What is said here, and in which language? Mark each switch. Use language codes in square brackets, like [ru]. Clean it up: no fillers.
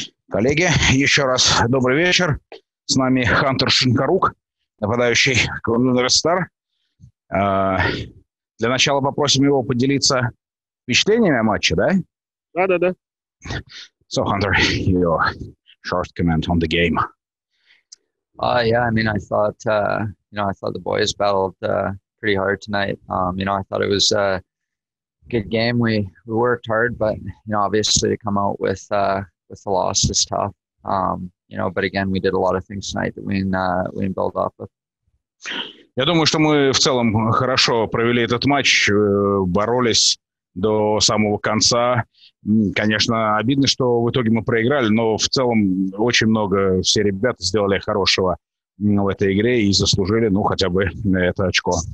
[ru] Коллеги, еще раз добрый вечер. С нами Хантер Шинкарук, нападающий Golden Star. Для начала попросим его поделиться впечатлениями о матче, да? Да. [en] So, Hunter, your short comment on the game. I thought the boys battled pretty hard tonight. I thought it was a good game. We worked hard, but you know, obviously to come out with a loss is tough. But again, we did a lot of things tonight that we can build off of. [ru] Я думаю, что мы в целом хорошо провели этот матч, боролись до самого конца. Конечно, обидно, что в итоге мы проиграли, но в целом очень много все ребята сделали хорошего в этой игре и заслужили, ну, хотя бы это очко.